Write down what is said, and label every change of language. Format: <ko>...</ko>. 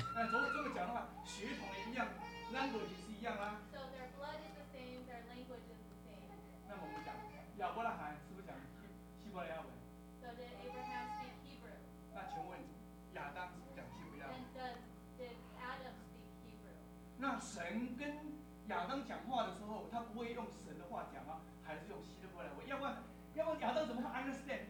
<zh>这么讲的话，血统一样 ，language 是一样啊。</zh> <en>So their blood is the same, their language is the same.</en> <zh>那么我们讲，亚伯拉罕是不是讲希伯来文</zh> <en>？So did Abraham speak Hebrew?</en> <zh>那请问亚当是不是讲希伯来文</zh> <en>？And did Adam speak Hebrew?</en> <zh>那神跟亚当讲话的时候，他不会用神的话讲吗？还是用希伯来文？要不然亚当怎么会 understand？</zh>